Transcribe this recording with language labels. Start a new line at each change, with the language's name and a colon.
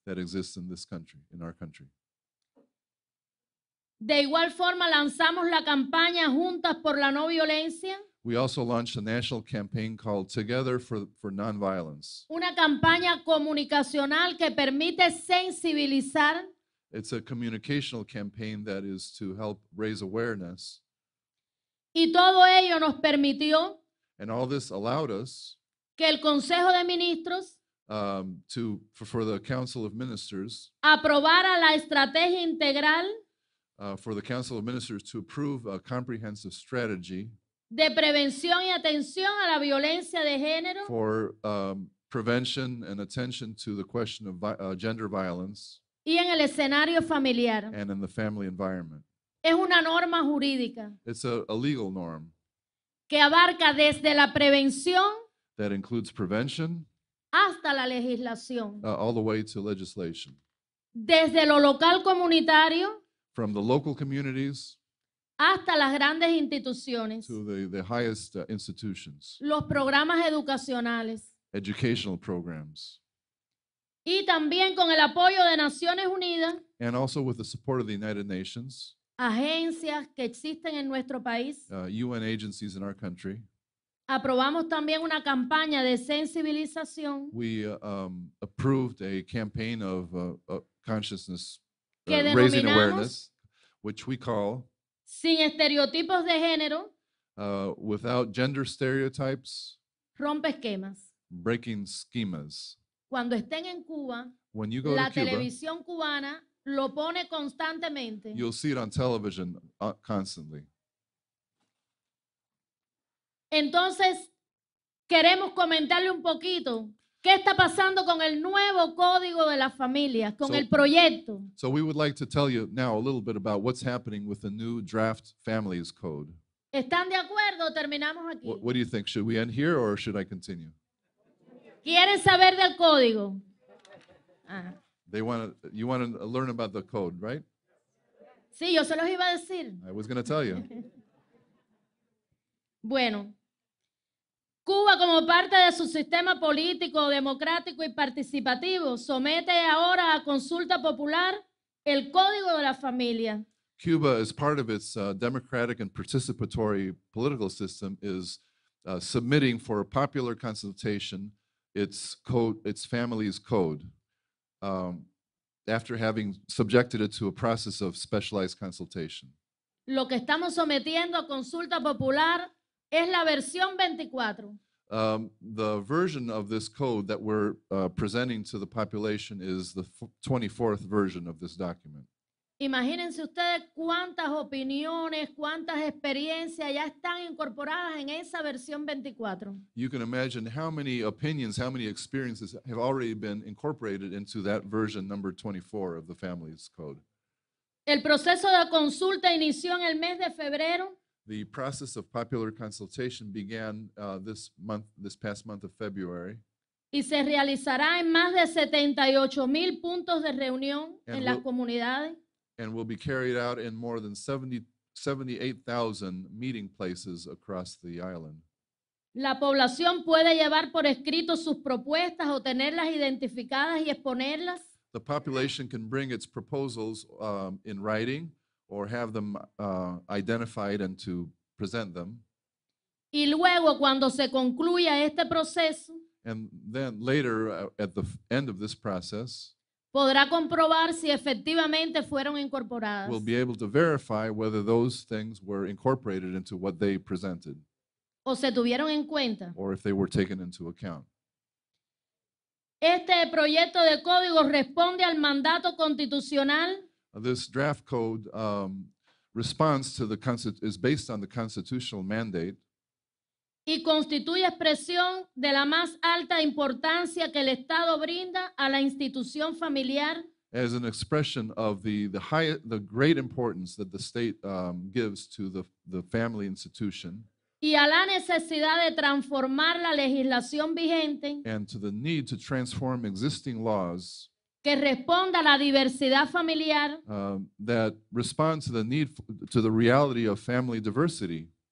English: That exists in this country, in our country.
Spanish: De igual forma lanzamos la campaña Juntas por la No Violencia.
English: We also launched a national campaign called Together for Nonviolence.
Spanish: Una campaña comunicacional que permite sensibilizar.
English: It's a communicational campaign that is to help raise awareness.
Spanish: Y todo ello nos permitió.
English: And all this allowed us.
Spanish: Que el Consejo de Ministros.
English: For the Council of Ministers.
Spanish: Aprobara la estrategia integral.
English: For the Council of Ministers to approve a comprehensive strategy.
Spanish: De prevención y atención a la violencia de género.
English: For prevention and attention to the question of gender violence.
Spanish: Y en el escenario familiar.
English: And in the family environment.
Spanish: Es una norma jurídica.
English: It's a legal norm.
Spanish: Que abarca desde la prevención.
English: That includes prevention.
Spanish: Hasta la legislación.
English: All the way to legislation.
Spanish: Desde lo local comunitario.
English: From the local communities.
Spanish: Hasta las grandes instituciones.
English: To the highest institutions.
Spanish: Los programas educacionales.
English: Educational programs.
Spanish: Y también con el apoyo de Naciones Unidas.
English: And also with the support of the United Nations.
Spanish: Agencias que existen en nuestro país.
English: UN agencies in our country.
Spanish: Aprobamos también una campaña de sensibilización.
English: We approved a campaign of consciousness,
Spanish: que denominamos
English: raising awareness, which we call
Spanish: sin estereotipos de género,
English: without gender stereotypes,
Spanish: rompe esquemas,
English: breaking schemas.
Spanish: Cuando estén en Cuba,
English: when you go
Spanish: la
English: to Cuba,
Spanish: televisión cubana lo pone constantemente.
English: You'll see it on television constantly.
Spanish: Entonces, queremos comentarle un poquito qué está pasando con el nuevo Código de las Familias, con el proyecto.
English: So we would like to tell you now a little bit about what's happening with the new draft Families Code.
Spanish: ¿Están de acuerdo? Terminamos aquí.
English: What do you think? Should we end here or should I continue?
Spanish: ¿Quieren saber del código?
English: You want to learn about the code, right?
Spanish: Sí, yo se los iba a decir.
English: I was going to tell you.
Spanish: Bueno, Cuba como parte de su sistema político, democrático y participativo somete ahora a consulta popular el Código de la Familia.
English: Cuba, as part of its democratic and participatory political system, is submitting for a popular consultation its code, its family's code, after having subjected it to a process of specialized consultation.
Spanish: Lo que estamos sometiendo a consulta popular es la versión 24.
English: The version of this code that we're presenting to the population is the 24th version of this document.
Spanish: Imagínense ustedes cuántas opiniones, cuántas experiencias ya están incorporadas en esa versión 24.
English: You can imagine how many opinions, how many experiences have already been incorporated into that version number 24 of the Families Code.
Spanish: El proceso de consulta inició en el mes de febrero.
English: The process of popular consultation began this past month of February.
Spanish: Y se realizará en más de 78,000 puntos de reunión en las comunidades.
English: And will be carried out in more than 78,000 meeting places across the island.
Spanish: La población puede llevar por escrito sus propuestas o tenerlas identificadas y exponerlas.
English: The population can bring its proposals in writing. Or have them identified and to present them.
Spanish: Y luego, cuando se concluya este proceso,
English: and then later, at the end of this process,
Spanish: podrá comprobar si efectivamente fueron incorporadas.
English: We'll be able to verify whether those things were incorporated into what they presented.
Spanish: o se tuvieron en cuenta.
English: Or if they were taken into account.
Spanish: Este proyecto de código responde al mandato constitucional.
English: This draft code responds to the is based on the constitutional mandate.
Spanish: Y constituye expresión de la más alta importancia que el Estado brinda a la institución familiar.
English: As an expression of the great importance that the state gives to the family institution.
Spanish: Y a la necesidad de transformar la legislación vigente.
English: And to the need to transform existing laws.
Spanish: Que responda a la diversidad familiar.
English: That responds to the need to the reality of family diversity.